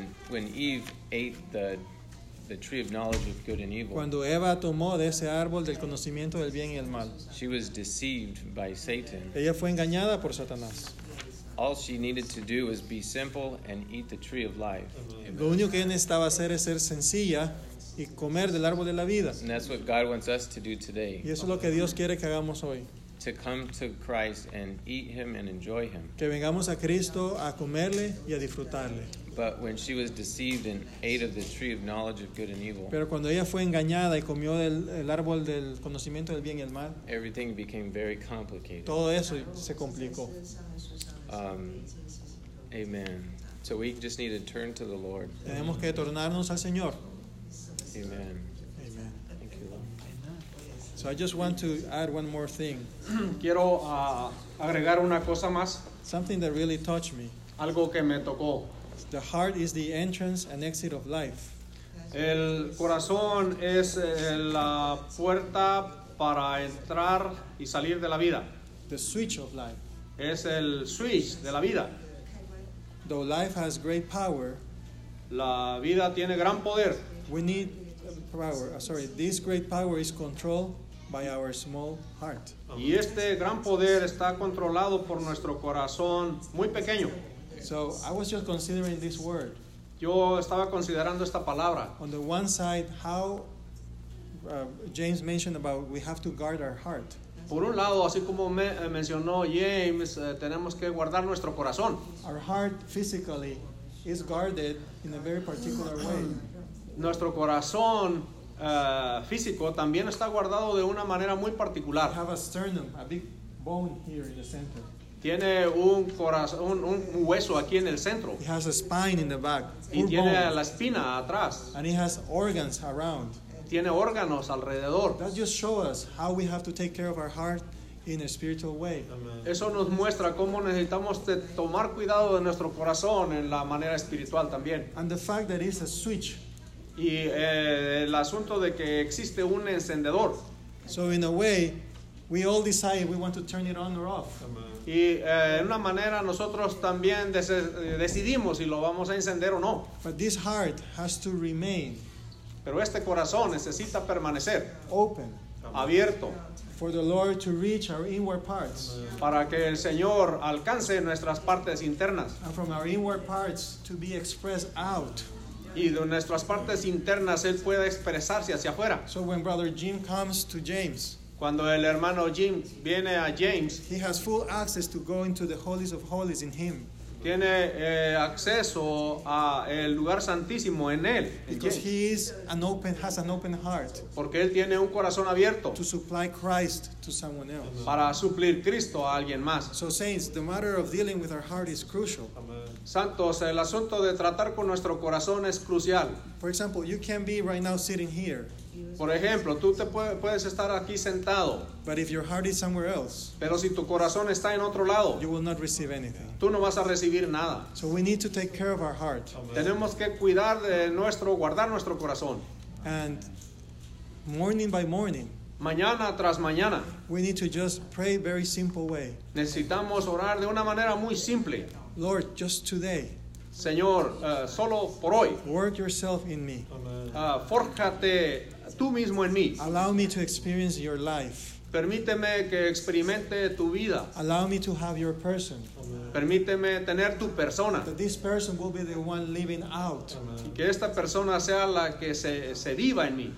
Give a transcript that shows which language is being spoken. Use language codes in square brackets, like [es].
[en] When Eve ate the tree of knowledge of good and evil. [es] Cuando Eva tomó de ese árbol del conocimiento del bien y el mal. [en] She was deceived by Satan. [es] Ella fue engañada por Satanás. [en] All she needed to do was be simple and eat the tree of life. Amen. [es] Lo único que necesitaba hacer es ser sencilla y comer del árbol de la vida. [en] And that's what God wants us to do today. [es] Y eso es lo que Dios quiere que hagamos hoy. [en] To come to Christ and eat him and enjoy him. [es] Que vengamos a Cristo a comerle y a disfrutarle. [en] But when she was deceived and ate of the tree of knowledge of good and evil. [es] Pero cuando ella fue engañada y comió del árbol del conocimiento del bien y el mal. [en] Everything became very complicated. [es] Todo eso se complicó. [en] Amen. So we just need to turn to the Lord. [es] Tenemos que tornarnos al Señor. [en] Amen. Amen. Thank you, Lord. So I just want to add one more thing. [es] Quiero agregar una cosa más. [en] Something that really touched me. [es] Algo que me tocó. [en] The heart is the entrance and exit of life. [es] El corazón es la puerta para entrar y salir de la vida. [en] The switch of life. [es] Es el switch de la vida. [en] Though life has great power, [es] la vida tiene gran poder. [en] We need power. Sorry, this great power is controlled by our small heart. [es] Y este gran poder está controlado por nuestro corazón muy pequeño. [en] So I was just considering this word. [es] Yo estaba considerando esta palabra. [en] On the one side, how James mentioned about we have to guard our heart. [es] Por un lado, así como mencionó James, tenemos que guardar nuestro corazón. [en] Our heart physically is guarded in a very particular way. [es] Nuestro corazón físico también está guardado de una manera muy particular. [en] We have a sternum, a big bone here in the center. [es] Tiene un corazón, un hueso aquí en el centro. [en] It has a spine in the back. [es] Y tiene la espina atrás. [en] And it has organs around. [es] Tiene órganos alrededor. [en] That just shows us how we have to take care of our heart in a spiritual way. Amen. [es] Eso nos muestra cómo necesitamos de tomar cuidado de nuestro corazón en la manera espiritual también. [en] And the fact that it's a switch. [es] Y el asunto de que existe un encendedor. [en] So in a way, we all decide we want to turn it on or off. [es] Y en una manera nosotros también decidimos si lo vamos a encender o no. [en] But this heart has to remain. [es] Pero este corazón necesita permanecer [en] open, [es] abierto, [en] for the Lord to reach our inward parts, [es] para que el Señor alcance nuestras partes internas, [en] and from our inward parts to be expressed out, [es] y de nuestras partes internas él pueda expresarse hacia afuera. [en] So when Brother Jim comes to James, [es] cuando el hermano Jim viene a James, [en] he has full access to go into the holies of holies in him. [es] Tiene acceso a el lugar santísimo en él. [en] Because he is an open, has an open heart. [es] Porque él tiene un corazón abierto. [en] To supply Christ to someone else. [es] Para suplir Cristo a alguien más. [en] So saints, the matter of dealing with our heart is crucial. Amen. [es] Santos, el asunto de tratar con nuestro corazón es crucial. [en] For example, you can be right now sitting here. [es] Por ejemplo, tú te puedes estar aquí sentado. [en] But if your heart is somewhere else, [es] pero si tu corazón está en otro lado, [en] you will not receive anything. [es] Tú no vas a recibir nada. [en] So we need to take care of our heart. Amen. [es] Tenemos que cuidar de nuestro, guardar nuestro corazón. [en] And morning by morning, [es] mañana tras mañana, [en] we need to just pray very simple way. [es] Necesitamos orar de una manera muy simple. [en] Lord, just today. [es] Señor, solo por hoy. [en] Work yourself in me. [es] Fórjate tú mismo en mí. [en] Allow me to experience your life. [es] Permíteme que experimente tu vida. [en] Allow me to have your person. [es] Permíteme tener tu persona. [en] That this person will be the one living out. Amen. [es] Que esta persona sea la que se viva en mí.